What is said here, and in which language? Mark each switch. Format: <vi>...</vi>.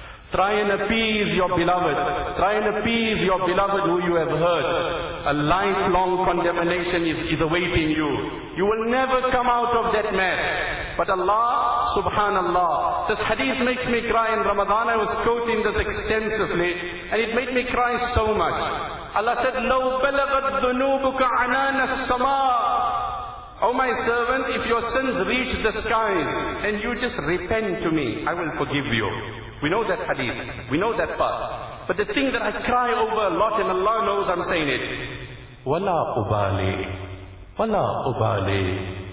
<en>Try and appease your beloved. Try and appease your beloved who you have hurt. A lifelong condemnation is awaiting you. You will never come out of that mess. But Allah, subhanallah, this hadith makes me cry. In Ramadan, I was quoting this extensively, and it made me cry so much. Allah said,</en> <ar>لَوْ بَلَغَتْ ذُنُوبُكَ عَنَانَ السَّمَاءِ.</ar> <en>Oh my servant, if your sins reach the skies, and you just repent to me, I will forgive you. We know that hadith. We know that part. But the thing that I cry over a lot, and Allah knows I'm saying it,</en> <ar>وَلَا أُبَالِي. وَلَا أُبَالِي.</ar>